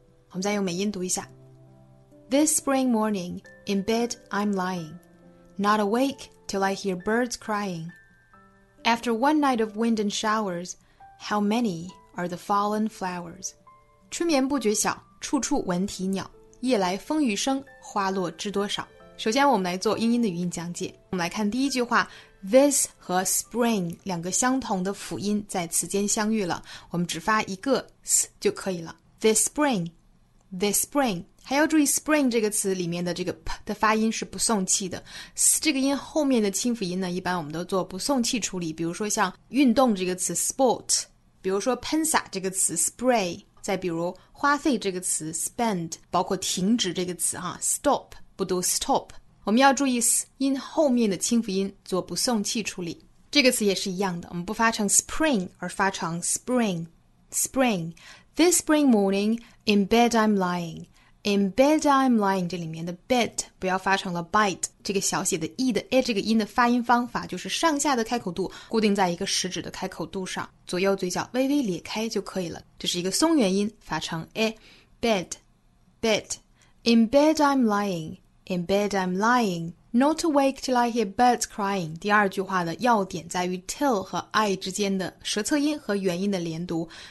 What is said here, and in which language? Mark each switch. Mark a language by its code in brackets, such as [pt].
[zh] 我们再用美音读一下。 [en] This spring morning, in bed I'm lying, not awake till I hear birds crying. After one night of wind and showers, how many are the fallen flowers? [zh] 春眠不觉晓，处处闻啼鸟。夜来风雨声，花落知多少。首先我们来做英音的语音讲解。我们来看第一句话，This 和 spring 两个相同的辅音在词间相遇了，我们只发一个 s 就可以了。 [en] This spring, this spring, [zh] 还要注意 spring 这个词里面的这个 p 的发音是不送气的。 s 这个音后面的清辅音呢，一般我们都做不送气处理，比如说像运动这个词 sport, 比如说喷洒这个词 spray, 再比如花费这个词 spend, 包括停止这个词啊 stop, 不读 stop。我们要注意 s 音后面的清辅音做不送气处理，这个词也是一样的，我们不发成 spring 而发成 spring spring. [en] This spring morning in bed I'm lying, in bed I'm lying. [zh] 这里面的 bed 不要发成了 bite, 这个小写的 e 的 a 这个音的发音方法就是上下的开口度固定在一个食指的开口度上，左右嘴角微微裂开就可以了，这是一个松元音发成 a bed bed. [en] In bed I'm lyingIn bed I'm lying, not awake till I hear birds crying. [zh] 第二句话的要点在于 till 和 I 之间的舌侧音和元音的连读。